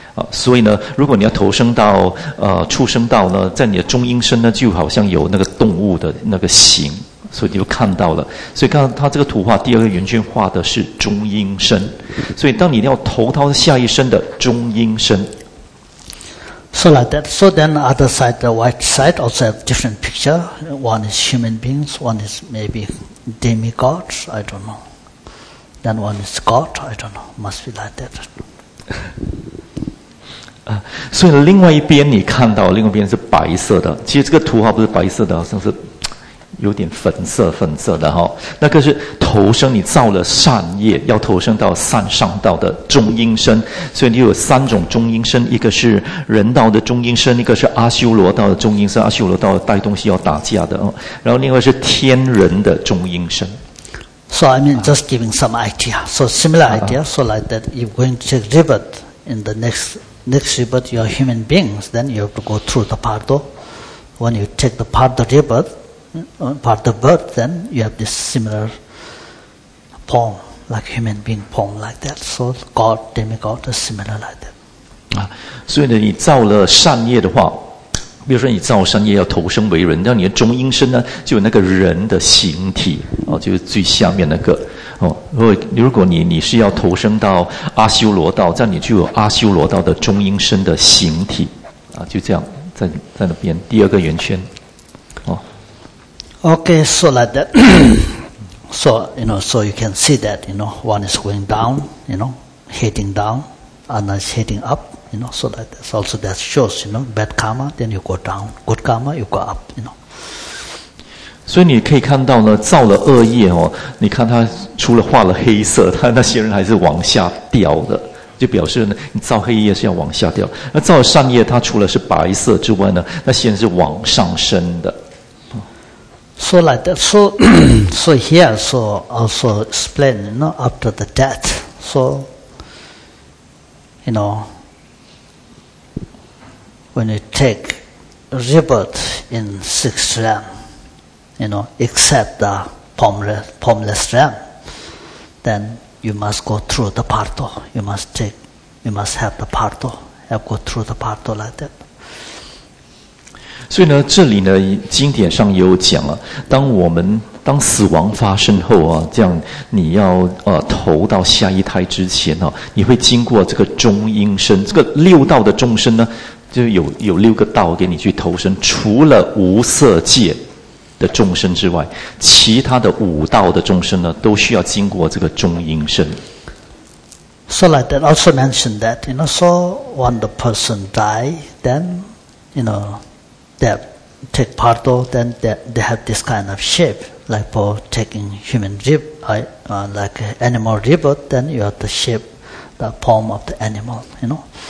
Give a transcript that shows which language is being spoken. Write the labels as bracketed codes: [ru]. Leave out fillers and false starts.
[zh] 所以呢，如果你要投生到畜生道呢，在你的中阴身呢，就好像有那个动物的那个形，所以你就看到了。所以刚刚他这个图画第二个圆圈画的是中阴身，所以当你要投到下一身的中阴身。 [en] So like that. So then the other side, the white side also have different picture. One is human beings. One is maybe demigods. I don't know. Then one is God. I don't know. Must be like that. [zh] 所以另外一边你看到另外一边是白色的，其实这个图画不是白色的，好像是有点粉色粉色的哈、哦，那个是投生，你造了善业，要投生到善上道的中阴身，所以你有三种中阴身，一个是人道的中阴身，一个是阿修罗道的中阴身，阿修罗道带东西要打架的、哦、然后另外是天人的中阴身。 [en] So I mean just giving some idea. So similar idea. So like that, if you're going to rebirth in the next rebirth, you're human beings, then you have to go through the pardo. When you take the pardo rebirth. Part of birth, then you have this similar form, like human being form, like that. So God, demigod, is similar like that. [zh] 啊，所以呢，你造了善业的话，比如说你造善业要投生为人，那你的中阴身呢，就有那个人的形体哦，就是最下面那个哦。如果你是要投生到阿修罗道，这样你就有阿修罗道的中阴身的形体啊，就这样在那边第二个圆圈。 [en] Okay, so like that. So, you know, so you can see that, you know, one is going down, you know, heading down, another is heading up, you know, so like that. Also that shows, you know, bad karma, then you go down. Good karma, you go up, you know. [zh] 所以你可以看到呢，造了恶业哦，你看他除了画了黑色，他那些人还是往下掉的，就表示呢，你造黑业是要往下掉。那造善业，他除了是白色之外呢，那些人是往上升的。 [en] So like that. So, so here, so also explain, you know, after the death. So, you know, when you take rebirth in sixth realm, you know, except the formless realm, then you must go through the parto. You must have the parto. Have go through the parto like that. [zh] 所以呢，这里呢，经典上也有讲啊，当死亡发生后啊，这样你要投到下一胎之前啊，你会经过这个中阴身，这个六道的众生呢，就有六个道给你去投生，除了无色界的众生之外，其他的五道的众生呢，都需要经过这个中阴身。 [en] So like that, also mentioned that, you know, so when the person die, then, you know. They take part of, then they have this kind of shape, like for taking human rib, like animal rib, then you have the shape, the form of the animal, you know.